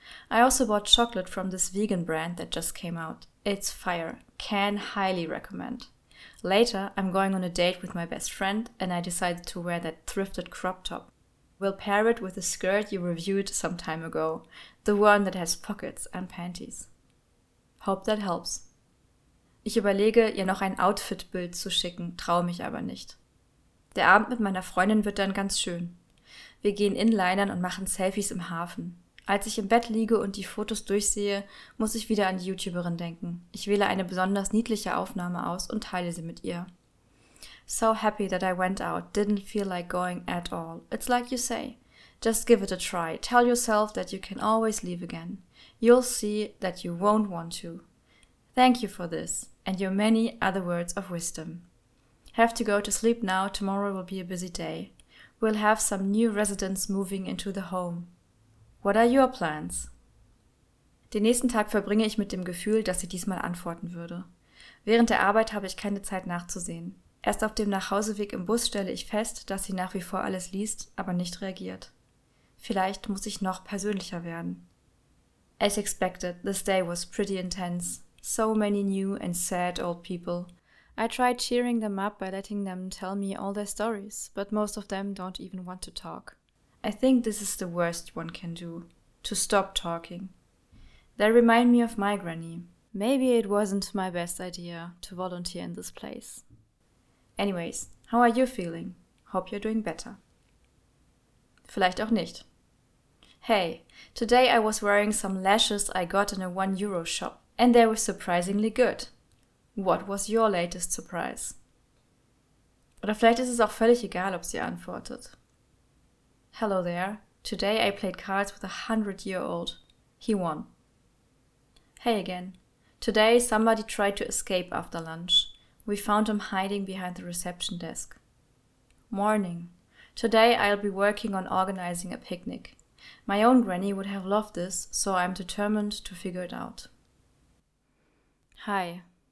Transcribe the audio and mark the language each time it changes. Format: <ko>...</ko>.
<en>I also bought chocolate from this vegan brand that just came out. It's fire. Can highly recommend. Later I'm going on a date with my best friend and I decided to wear that thrifted crop top. We'll pair it with a skirt you reviewed some time ago, the one that has pockets and panties. Hope that helps.</en> <de>Ich überlege, ihr noch ein Outfit-Bild zu schicken, traue mich aber nicht. Der Abend mit meiner Freundin wird dann ganz schön. Wir gehen Inlinern und machen Selfies im Hafen. Als ich im Bett liege und die Fotos durchsehe, muss ich wieder an die YouTuberin denken. Ich wähle eine besonders niedliche Aufnahme aus und teile sie mit ihr.</de> <en>So happy that I went out, didn't feel like going at all. It's like you say. Just give it a try. Tell yourself that you can always leave again. You'll see that you won't want to. Thank you for this and your many other words of wisdom. Have to go to sleep now. Tomorrow will be a busy day. We'll have some new residents moving into the home. What are your plans?</en> <de>Den nächsten Tag verbringe ich mit dem Gefühl, dass sie diesmal antworten würde. Während der Arbeit habe ich keine Zeit nachzusehen. Erst auf dem Nachhauseweg im Bus stelle ich fest, dass sie nach wie vor alles liest, aber nicht reagiert. Vielleicht muss ich noch persönlicher werden.</de> <en>As expected, this day was pretty intense. So many new and sad old people. I tried cheering them up by letting them tell me all their stories, but most of them don't even want to talk. I think this is the worst one can do, to stop talking. They remind me of my granny. Maybe it wasn't my best idea to volunteer in this place. Anyways, how are you feeling? Hope you're doing better.</en> <de>Vielleicht auch nicht.</de> <en>Hey, today I was wearing some lashes I got in a 1 euro shop, and they were surprisingly good. What was your latest surprise?</en> <de>Oder vielleicht ist es auch völlig egal, ob sie antwortet.</de> <en>Hello there. Today I played cards with a 100-year-old. He won. Hey again. Today somebody tried to escape after lunch. We found him hiding behind the reception desk. Morning. Today I'll be working on organizing a picnic. My own granny would have loved this, so I'm determined to figure it out. Hi.</en>